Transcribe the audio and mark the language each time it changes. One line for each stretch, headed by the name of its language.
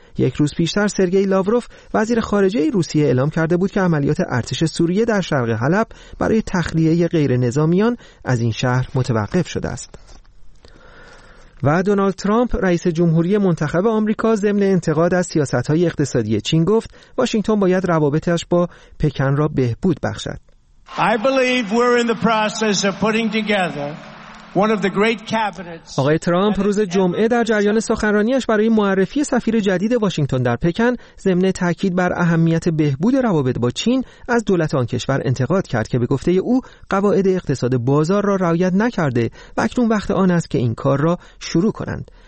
Persian: یک روز پیشتر سرگی لاوروف وزیر خارجه روسیه اعلام کرده بود که عملیات ارتش سوریه در شرق حلب برای تخلیه غیر نظامیان از این شهر متوقف شده است. و دونالد ترامپ، رئیس جمهوری منتخب آمریکا، ضمن انتقاد از سیاست‌های اقتصادی چین گفت واشنگتن باید روابطش با پکن را بهبود بخشد.
English: I believe we're in the process of putting together one of the great cabinets.
Persian: آقای ترامپ روز جمعه در جریان سخنرانیش برای معرفی سفیر جدید واشنگتن در پکن، ضمن تاکید بر اهمیت بهبود روابط با چین، از دولت آن کشور انتقاد کرد که به گفته او قواعد اقتصاد بازار را رعایت نکرده و اکنون وقت آن است که این کار را شروع کنند.